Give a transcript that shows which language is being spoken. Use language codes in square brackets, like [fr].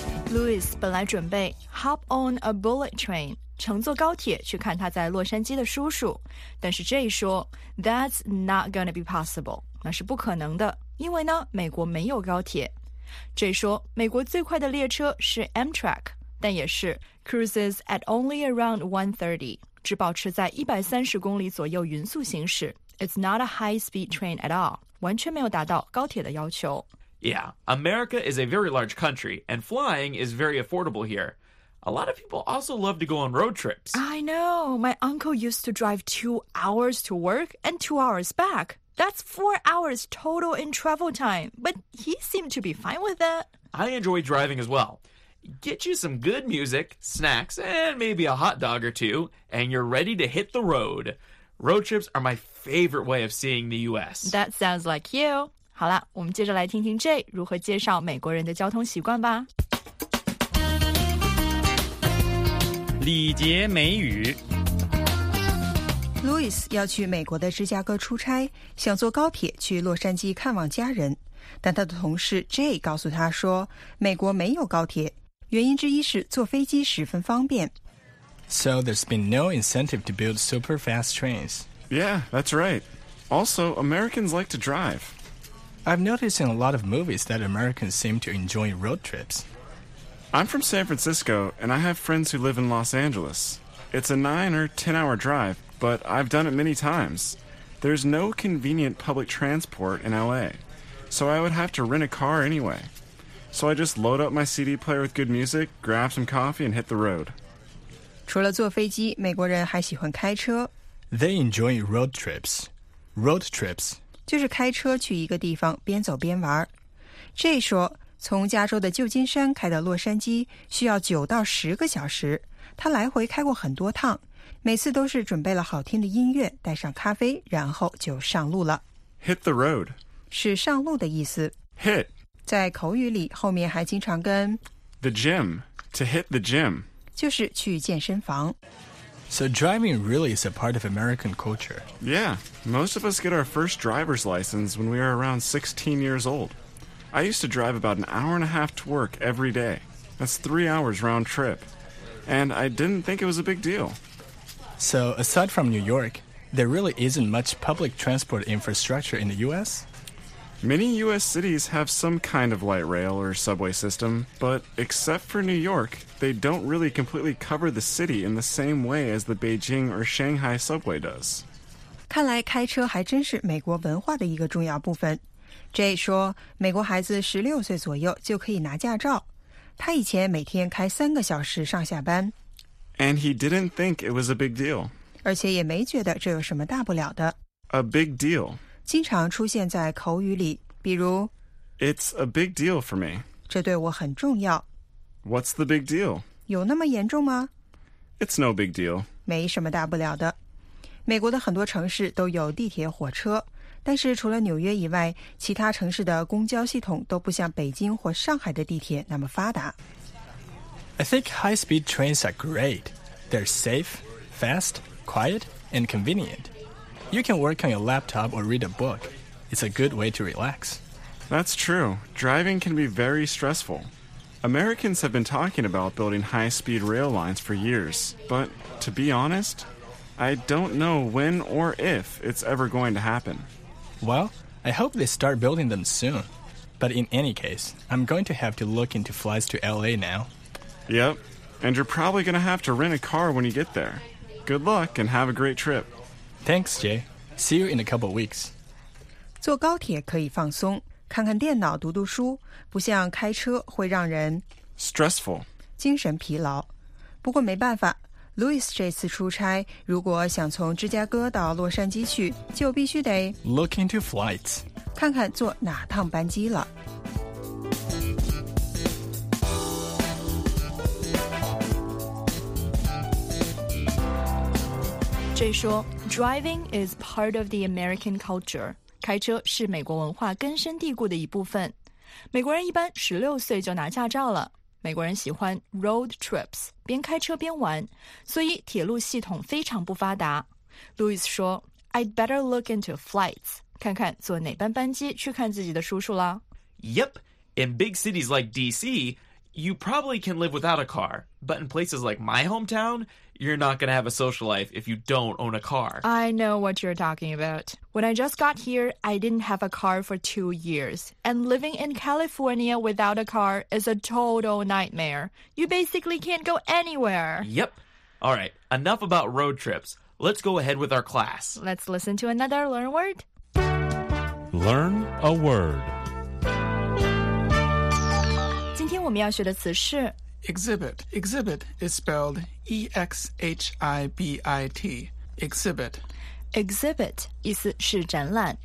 [zh] Louis 本来准备 [en] hop on a bullet train， [zh] 乘坐高铁去看他在洛杉矶的叔叔，但是 Jay 说 ， [en] That's not gonna be possible， [zh] 那是不可能的，因为呢，美国没有高铁。 Jay 说美国最快的列车是 Amtrak， 但也是 [en] cruises at only around 130， [zh] 只保持在130公里左右匀速行驶。 [en] It's not a high-speed train at all， [zh] 完全没有达到高铁的要求。 [en] Yeah, America is a very large country, and flying is very affordable here. A lot of people also love to go on road trips. I know, my uncle used to drive 2 hours to work and 2 hours back. That's 4 hours total in travel time, but he seemed to be fine with that. I enjoy driving as well. Get you some good music, snacks, and maybe a hot dog or two, and you're ready to hit the road. Road trips are my favorite way of seeing the U.S. That sounds like you. [zh] 好了，我们接着来听听 Jay 如何介绍美国人的交通习惯吧。礼节美语 Louis 要去美国的芝加哥出差，想坐高铁去洛杉矶看望家人，但他的同事 Jay 告诉他说美国没有高铁，原因之一是坐飞机十分方便。 [en] So there's been no incentive to build super fast trains. Yeah, that's right. Also, Americans like to drive. I've noticed in a lot of movies that Americans seem to enjoy road trips. I'm from San Francisco and I have friends who live in Los Angeles. It's a 9 or 10 hour driveBut I've done it many times. There's no convenient public transport in LA, so I would have to rent a car anyway. So I just load up my CD player with good music, grab some coffee, and hit the road. [zh] 除了坐飞机，美国人还喜欢开车。 [en] They enjoy road trips. Road trips. [zh] 就是开车去一个地方，边走边玩。 Jay 说，从加州的旧金山开到洛杉矶需要9到10个小时。他来回开过很多趟。每次都是准备了好听的音乐，带上咖啡，然后就上路了。 [en] Hit the road [zh] 是上路的意思。 [en] Hit [zh] 在口语里后面还经常跟 [en] the gym to hit the gym [zh] 就是去健身房。 [en] So driving really is a part of American culture. Yeah, most of us get our first driver's license when we are around 16 years old. I used to drive about an hour and a half to work every day. That's 3 hours round trip, and I didn't think it was a big deal. So, aside from New York, there really isn't much public transport infrastructure in the U.S.? Many U.S. cities have some kind of light rail or subway system, but except for New York, they don't really completely cover the city in the same way as the Beijing or Shanghai subway does. [zh] 看来开车还真是美国文化的一个重要部分。 Jay 说，美国孩子16岁左右就可以拿驾照。他以前每天开3个小时上下班。 [en] And he didn't think it was a big deal. [zh] 而且也没觉得这有什么大不了的。 [en] A big deal. [zh] 经常出现在口语里，比如 [en] It's a big deal for me. [zh] 这对我很重要。 [en] What's the big deal? [zh] 有那么严重吗？ [en] It's no big deal. [zh] 没什么大不了的。美国的很多城市都有地铁、火车，但是除了纽约以外，其他城市的公交系统都不像北京或上海的地铁那么发达。 [en] I think high-speed trains are great. They're safe, fast, quiet, and convenient. You can work on your laptop or read a book. It's a good way to relax. That's true. Driving can be very stressful. Americans have been talking about building high-speed rail lines for years, but to be honest, I don't know when or if it's ever going to happen. Well, I hope they start building them soon. But in any case, I'm going to have to look into flights to LA now. Yep, and you're probably going to have to rent a car when you get there. Good luck and have a great trip. Thanks, Jay. See you in a couple weeks. [zh] 坐高铁可以放松，看看电脑，读读书，不像开车会让人 [en] stressful, [zh] 精神疲劳。不过没办法， Louis 这次出差，如果想从芝加哥到洛杉矶去，就必须得 [en] look into flights, [zh] 看看坐哪趟班机了。 Jay 说 [en] driving is part of the American culture. [zh] 开车是美国文化根深蒂固的一部分。美国人一般16岁就拿驾照了。美国人喜欢 [en] road trips, [zh] 边开车边玩。所以铁路系统非常不发达。Louis 说 [en] I'd better look into flights, [zh] 看看坐哪班班机去看自己的叔叔啦。 [en] Yep, in big cities like DC, you probably can live without a car. But in places like my hometown,You're not going to have a social life if you don't own a car. I know what you're talking about. When I just got here, I didn't have a car for 2 years. And living in California without a car is a total nightmare. You basically can't go anywhere. Yep. All right, enough about road trips. Let's go ahead with our class. Let's listen to another Learn Word. Learn a word. [zh] 今天我们要学的词是 [en] Exhibit. Exhibit is spelled E-X-H-I-B-I-T. Exhibit. [zh] Exhibit 意思是展览。